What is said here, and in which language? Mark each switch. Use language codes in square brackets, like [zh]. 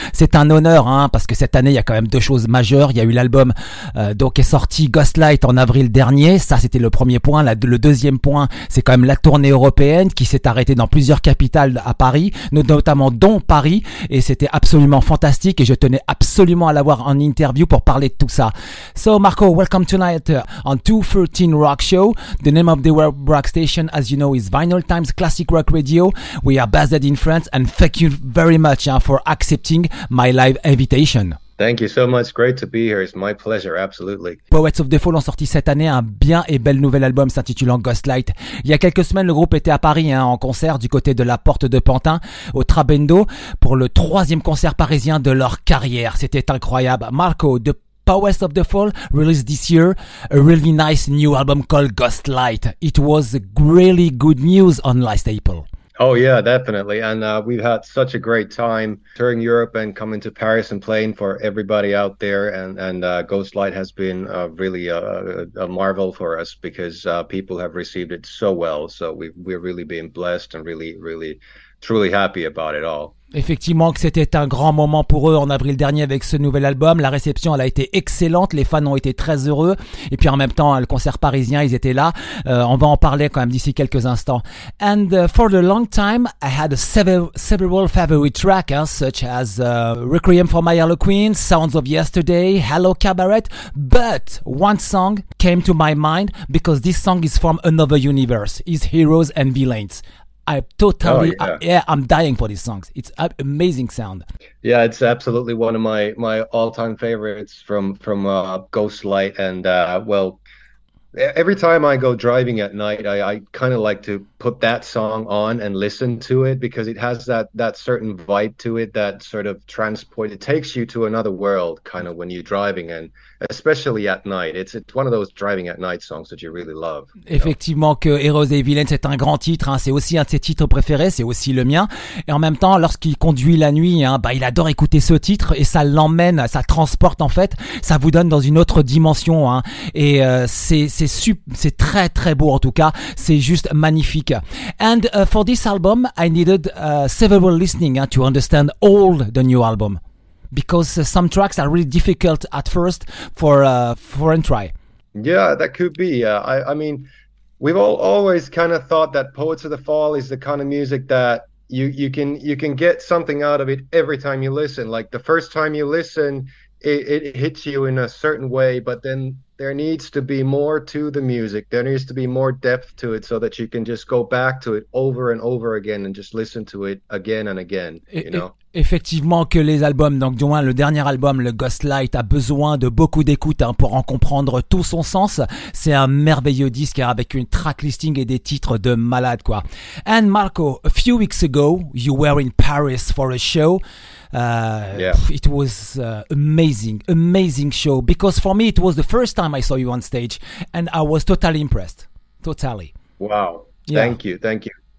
[fr] C'est un honneur hein, parce que cette année il y a quand même deux choses majeures. Il y a eu l'album donc est sorti Ghostlight en avril dernier. Ça c'était le premier point. Le deuxième point, c'est quand même la tournée européenne qui s'est arrêtée dans plusieurs capitales à Paris, notamment dont Paris. Et c'était absolument fantastique. Et je tenais absolument à l'avoir en interview pour parler de tout ça. [en] So Marco, welcome tonight on 213 Rock Show. The name of the web rock station, as you know, is Vinyl Times Classic Rock Radio. We are based in France, and thank you very much for accepting my live invitation. Thank you so much. Great to be here. It's my pleasure, absolutely. [fr] Powets of the Fall ont sorti cette année un bien et bel nouvel album s'intitulant Ghostlight. Il y a quelques semaines, le groupe était à Paris hein, en concert du côté de la Porte de Pantin au Trabendo pour le troisième concert parisien de leur carrière. C'était incroyable. [en] Marco, de Powest of the Fall released this year a really nice new album called Ghostlight. It was really good news on last April. Oh yeah, definitely. And we've had such a great time touring Europe and coming to Paris and playing for everybody out there. And Ghostlight has been really a marvel for us because people have received it so well. So we're really being blessed and really, really, truly happy about it all. [fr] Effectivement que c'était un grand moment pour eux en avril dernier avec ce nouvel album. La réception, elle a été excellente. Les fans ont été très heureux. Et puis en même temps, le concert parisien, ils étaient là. On va en parler quand même d'ici quelques instants. [en] And for the long time, I had several favorite tracks, hein, such as Requiem for My Eloquence, Sounds of Yesterday, Hello Cabaret. But one song came to my mind because this song is from another universe. It's Heroes and Villains. I totally, I'm dying for these songs. It's an amazing sound. Yeah, it's absolutely one of my all-time favorites from Ghostlight. And well, every time I go driving at night, I kind of like to put that song on and listen to it because it has that certain vibe to it, that sort of transport. It takes you to another world kind of when you're driving, and especially at night. It's one of those driving at night songs that you really love. [fr] Effectivement, que Heroes et Villains, c'est un grand titre. Hein. C'est aussi un de ses titres préférés. C'est aussi le mien. Et en même temps, lorsqu'il conduit la nuit, hein, bah, il adore écouter ce titre et ça l'emmène, ça transporte en fait. Ça vous donne dans une autre dimension. Hein. Et c'est très, très beau en tout cas. C'est juste magnifique. [en] And for this album, I needed several listening to understand all the new album. Because some tracks are really difficult at first for a try. Yeah, that could be. I mean, we've all always kind of thought that Powets of the Fall is the kind of music that you can get something out of it every time you listen. Like the first time you listen, it hits you in a certain way, but then there needs to be more to the music. There needs to be more depth to it so that you can just go back to it over and over again and just listen to it again and again, [fr] Effectivement que les albums, donc du moins le dernier album, le Ghostlight, a besoin de beaucoup d'écoute hein, pour en comprendre tout son sens. C'est un merveilleux disque avec une track listing et des titres de malade, quoi. [en] And Marco, a few weeks ago, you were in Paris for a show. It was amazing show. Because for me, it was the first time I saw you on stage and I was totally impressed. Totally. Wow. Yeah. Thank you.